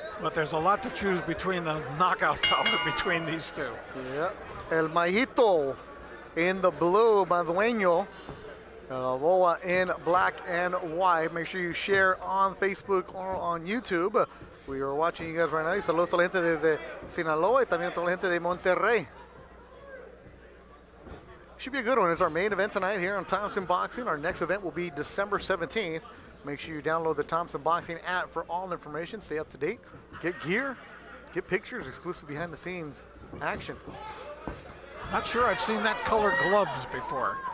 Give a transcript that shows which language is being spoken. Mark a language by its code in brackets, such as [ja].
[en] But there's a lot to choose between the knockout power between these two. Yeah, El Mayito in the blue, Madueño. Loboa in black and white. Make sure you share on Facebook or on YouTube. We are watching you guys right now. [es] Saludos a la gente de Sinaloa y también a la gente de Monterrey. [en] Should be a good one. It's our main event tonight here on Thompson Boxing. Our next event will be December 17th. Make sure you download the Thompson Boxing app for all information. Stay up to date. Get gear. Get pictures. Exclusive behind-the-scenes action. Not sure I've seen that color gloves before.